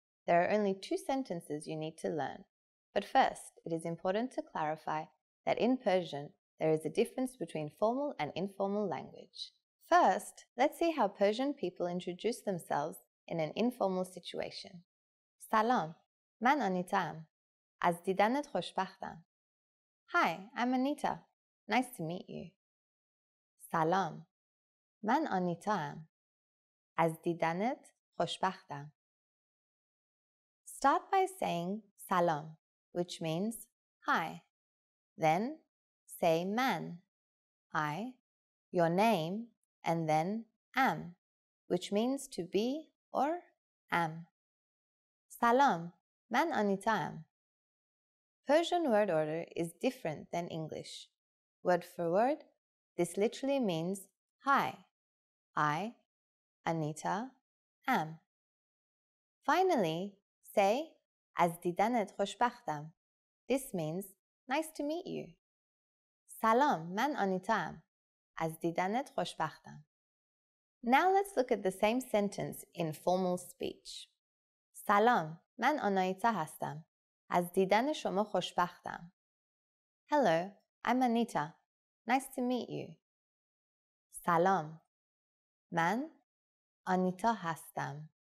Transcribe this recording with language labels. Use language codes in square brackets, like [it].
[en] There are only two sentences you need to learn. But first, it is important to clarify that in Persian, there is a difference between formal and informal language. First, let's see how Persian people introduce themselves in an informal situation. [fa] Salam, man Anitam. Az didanat khoshbakhtam. [en] Hi, I'm Anita. Nice to meet you. [fa] Salam, man Anitam. Az didanat khoshbakhtam. [en] Start by saying salam, which means hi. Then say man, I, your name, and then am, which means to be or am. [fa] Salam, man anitaam. [en] Persian word order is different than English. Word for word, this literally means hi, I, Anita, am. Finally, say, [fa] az didanet khoshbakhtam. [en] This means, nice to meet you. [fa] Salam, man anitam. Az didanet khoshbakhtam. [en] Now let's look at the same sentence in formal speech. [fa] Salam, man anita hastam. Az didan shoma khoshbakhtam. [en] Hello, I'm Anita. Nice to meet you. [fa] Salam, man anita hastam.